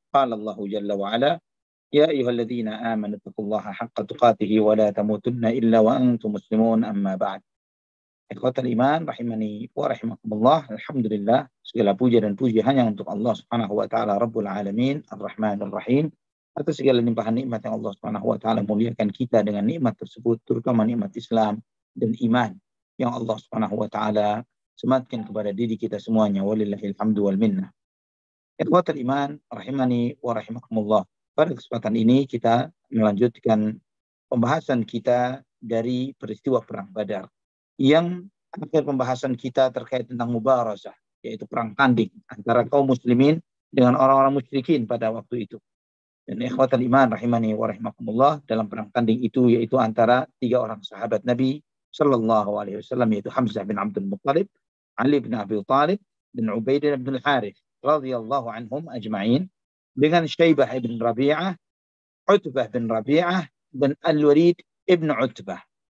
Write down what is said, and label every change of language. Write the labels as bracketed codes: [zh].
[ar] Qala Allahu jalla wa ala: يا أيها الذين آمنوا اتقوا الله حق تقاته ولا تموتن إلا وأنتم مسلمون أما بعد إخوة الإيمان رحمني ورحمكم الله الحمد لله [id] segala puja dan puji hanya untuk Allah Subhanahu wa taala Rabbul Alamin Ar-Rahman Ar-Rahim atas segala limpahan nikmat yang Allah Subhanahu wa taala muliakan kita dengan nikmat tersebut terutama nikmat Islam dan iman yang Allah Subhanahu wa taala sematkan kepada diri kita semuanya [ar] walillahi alhamdu wal minnah. إخوة الإيمان رحمني ورحمكم الله. [id] Pada kesempatan ini kita melanjutkan pembahasan kita dari peristiwa Perang Badar yang akhir pembahasan kita terkait tentang Mubarazah, yaitu perang tanding antara kaum muslimin dengan orang-orang musyrikin pada waktu itu. Dan [ar] ikhwatal iman rahimani wa rahimakumullah, [id] dalam perang tanding itu yaitu antara tiga orang sahabat Nabi sallallahu alaihi wasallam, yaitu Hamzah bin Abdul Muttalib, Ali bin Abi Thalib, dan Ubaidah bin Al-Harith radhiyallahu anhum ajma'in, dengan Syaibah ibn Rabi'ah, Utbah bin Rabi'ah, dan Al-Walid ibn Utbah.